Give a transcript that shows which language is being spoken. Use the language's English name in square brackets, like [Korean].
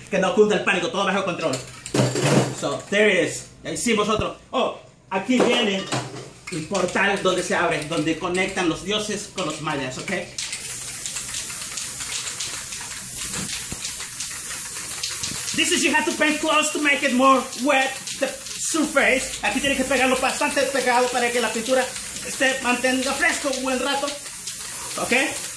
[Spanish] Que no cunda el pánico, todo bajo control. [English] So, there it is, [Spanish] ahí sí vosotros. Oh, aquí viene el portal donde se abre, donde conectan los dioses con los mayas, okay? [English] This is you have to paint close to make it more wet, the surface. [Spanish] Aquí tienes que pegarlo bastante pegado para que la pintura esté mantenida fresco un buen rato, okay?